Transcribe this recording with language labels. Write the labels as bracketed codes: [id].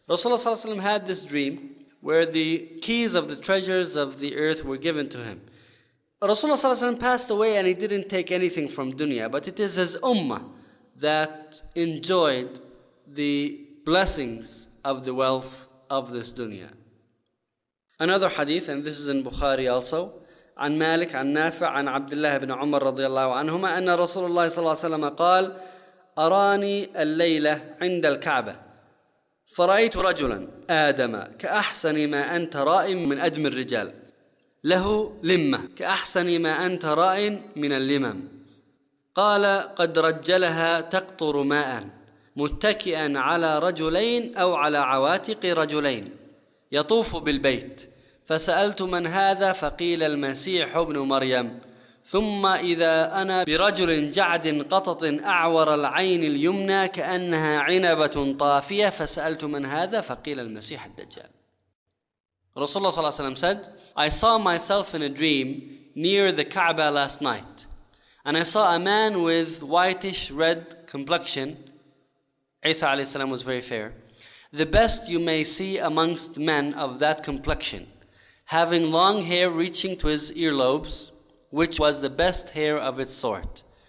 [en] Rasulullah sallallahu alayhi wa sallam had this dream where the keys of the treasures of the earth were given to him. Rasulullah ﷺ passed away and he didn't take anything from dunya, but it is his ummah that enjoyed the blessings of the wealth of this dunya. Another hadith, and this is in Bukhari also, [ar] عن مالك عن نافع عن عبد الله بن عمر رضي الله عنهما أن رسول الله صلى الله عليه وسلم قال أراني الليلة عند الكعبة فرأيت رجلا آدم كأحسن ما أنت رائم من أدم الرجال له لمة كأحسن ما أنت رائم من اللمم قال قد رجلها تقطر ماء متكئا على رجلين أو على عواتق رجلين يطوف بالبيت فسألت من هذا فقيل المسيح ابن مريم ثم إذا أنا برجل جعد قطط أعور العين اليمنى كأنها عنبة طافية فسألت من هذا فقيل المسيح الدجال. رسول الله صلى الله عليه وسلم [en] said, I saw myself in a dream near the Kaaba last night, and I saw a man with whitish red complexion. Isa عليه السلام was very fair. The best you may see amongst men of that complexion, having long hair reaching to his earlobes, which was the best hair of its sort.